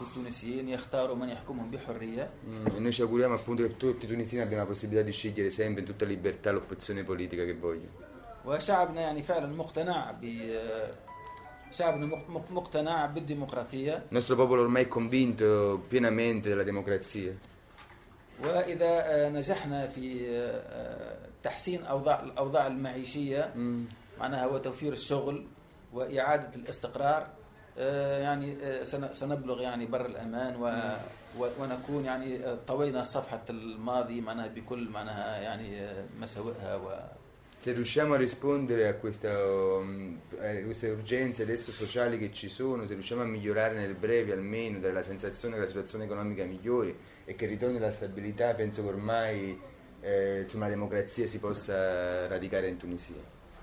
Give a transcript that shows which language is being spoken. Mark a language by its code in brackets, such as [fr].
[it] Noi ci auguriamo appunto che tutti i tunisini abbiano la possibilità di scegliere sempre in tutta libertà l'opzione politica che vogliono. [ar] وشعبنا يعني فعلا مقتنع ب شعبنا مقتنع بالديمقراطية. [it] Nostro popolo ormai è convinto pienamente della democrazia. [ar] وإذا نجحنا في تحسين الأوضاع المعيشية معناها هو توفير الشغل وإعادة الاستقرار يعني سنبلغ يعني بر الأمان ونكون يعني طوينا صفحة الماضي معناها بكل معناها يعني مساوئها. و [it] se riusciamo a rispondere a queste urgenze adesso sociali che ci sono, se riusciamo a migliorare nel breve almeno, dare la sensazione che la situazione economica migliori e che ritorni la stabilità, penso che ormai insomma, la democrazia si possa radicare in Tunisia.